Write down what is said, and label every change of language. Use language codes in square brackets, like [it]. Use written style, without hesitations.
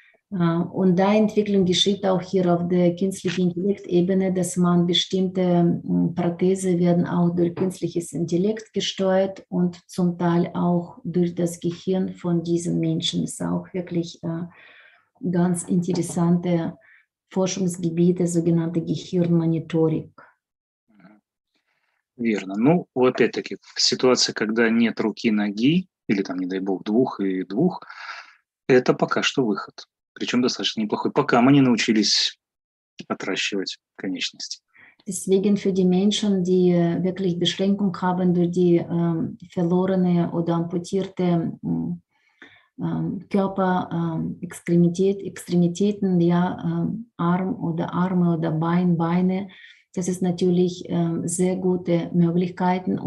[de] Und da Entwicklung geschieht auch hier auf der künstlichen Intellektebene, dass man bestimmte Prothesen werden auch durch künstliches Intellekt gesteuert und zum Teil auch durch das Gehirn von diesen Menschen. Das ist auch wirklich ganz interessante Forschungsgebiete, sogenannte Gehirnmonitorik. [ru] Верно. Ну, опять-таки, в ситуации, когда нет руки, ноги, или там, не дай бог, двух и двух, это пока что выход. Причем достаточно неплохой, пока мы не научились отращивать конечности. [de] Deswegen für die Menschen, die wirklich Beschränkung haben durch die verlorene oder amputierte Körper, Extremitäten, ja, Arm oder Arme oder Beine, das ist natürlich sehr gute Möglichkeiten.